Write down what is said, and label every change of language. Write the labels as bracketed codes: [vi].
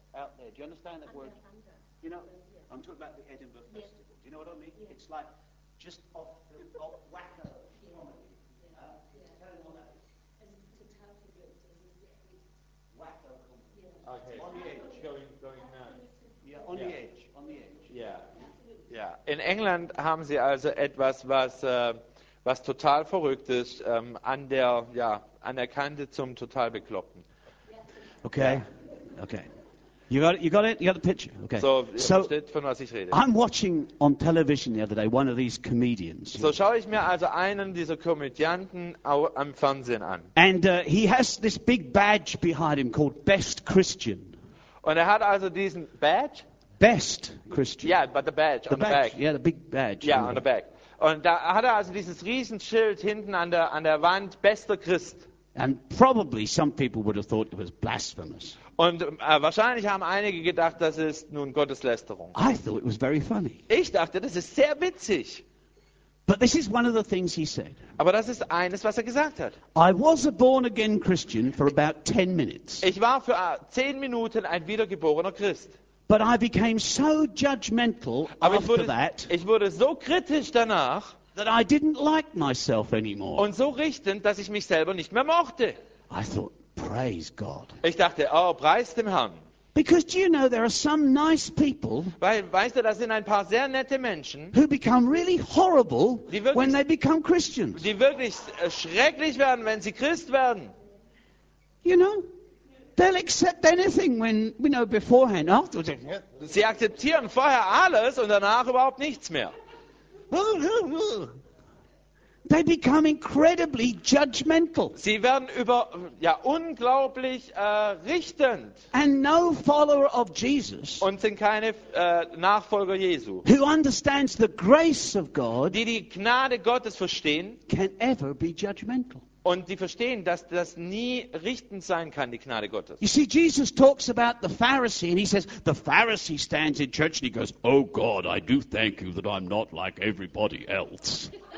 [en] Out there, do you understand that word? You know, I'm talking about the Edinburgh Festival. Yeah. Do you know what I mean? Yeah. It's like just off the off wacko comedy. Yeah. Yeah. Tell them what that is. Wacko comedy. Okay. On the edge, going now. Yeah, on the edge, on the edge. Yeah. Yeah. [de] In England haben sie also etwas, was total verrückt ist, an der Kante zum total bekloppten. [en] Okay. Yeah. Okay. You got it? You got the picture? Okay. [de] So von was ich rede. [en] I'm watching on television the other day one of these comedians. [de] So schaue ich mir also einen dieser Komödianten am Fernsehen an. [en] And he has this big badge behind him called Best Christian. [de] Und hat also diesen badge? [en] Best Christian. Yeah, but the badge the on badge. The back. Yeah, the big badge. Yeah, on the back. [de] Und da hat also dieses Riesenschild hinten an der Wand, bester Christ. [en] And probably some people would have thought it was blasphemous. [de] Und wahrscheinlich haben einige gedacht, das ist nun Gotteslästerung. [en] I thought it was very funny. [de] Ich dachte, das ist sehr witzig. [en] But this is one of the things he said. [de] Aber das ist eines, was er gesagt hat. [en] I was a born again Christian for about 10 minutes. [de] Ich war für 10 Minuten ein wiedergeborener Christ. [en] But I became so judgmental after that. [de] Ich wurde so kritisch danach. [en] That I didn't like myself anymore. [de] Und so richtend, dass ich mich selber nicht mehr mochte. [en] I thought, praise God. [de] Ich dachte, oh, preis dem Herrn. [en] Because do you know there are some nice people, [de] weißt du, das sind ein paar sehr nette Menschen, [en] who become really horrible when they become Christians. [de] Die wirklich schrecklich werden, wenn sie Christ werden. [en] You know, they'll accept anything when, you know, beforehand, afterwards. [de] Sie akzeptieren vorher alles und danach überhaupt nichts mehr. [en] They become incredibly judgmental. [de] Sie werden über ja unglaublich richtend. [en] And no follower of Jesus. [de] Und sind keine Nachfolger Jesu. [en] Who understands the grace of God? [de] Die Gnade Gottes verstehen. [en] Can ever be judgmental. [de] Und die verstehen, dass das nie richtend sein kann, die Gnade Gottes. [en] You see, Jesus talks about the Pharisee, and he says, the Pharisee stands in church and he goes, oh God, I do thank you that I'm not like everybody else.